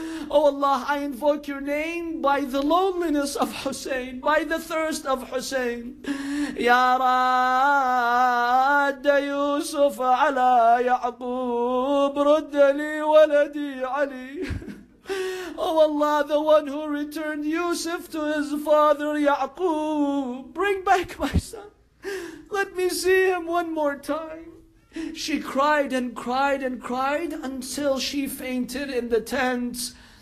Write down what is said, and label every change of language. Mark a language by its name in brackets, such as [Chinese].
[English] "Oh Allah, I invoke your name by the loneliness of Hussein, by the thirst of Hussein." [Arabic] "يا راد يوسف على يعقوب رد لي ولدي علي." [English] "Oh Allah, the one who returned Yusuf to his father Yaqub, bring back my son. Let me see him one more time." She cried and cried and cried until she fainted in the tent.